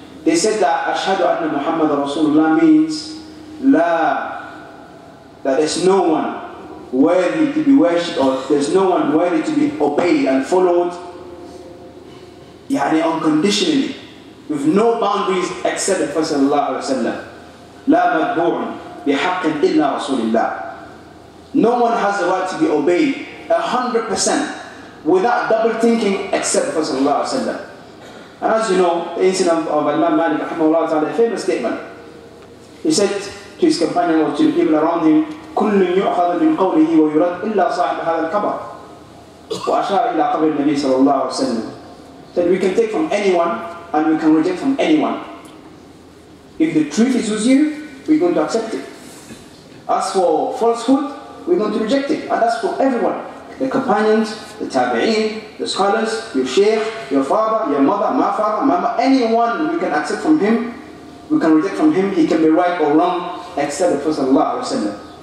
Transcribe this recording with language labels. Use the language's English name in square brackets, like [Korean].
[English] They said that [Arabic] ashhadu anna Muhammad Rasulullah [English] means la, that there's no one worthy to be worshipped, or there's no one worthy to be obeyed and followed, yani unconditionally, with no boundaries except the Prophet sallallahu alaihi wasallam. [Arabic] La madbu'un bihaqqin illa Rasulullah. [English] No one has the right to be obeyed 100% without double thinking except the Prophet sallallahu alaihi wasallam. And as you know, the incident of Imam Malik rahimahullah ta'ala, a famous statement. He said to his companion or to the people around him, [Arabic] كُلٌّ يُعْخَذُ مِنْ قَوْلِهِ وَيُرَدْ إِلَّا صَاحِبَ هَذَا الْكَبَرِ وَأَشَارَ إِلَّا قَبْرِ النَّبِي صَلَى اللَّهُ عَلَيْهِ وَسَلَّمُ. [English] Then we can take from anyone and we can reject from anyone. If the truth is with you, we're going to accept it. As for falsehood, we're going to reject it. And that's for everyone. The companions, the tabi'in, the scholars, your sheikh, your father, your mother, my father, my mother, anyone we can accept from him, we can reject from him, he can be right or wrong, except the Prophet sallallahu alayhi wa sallam.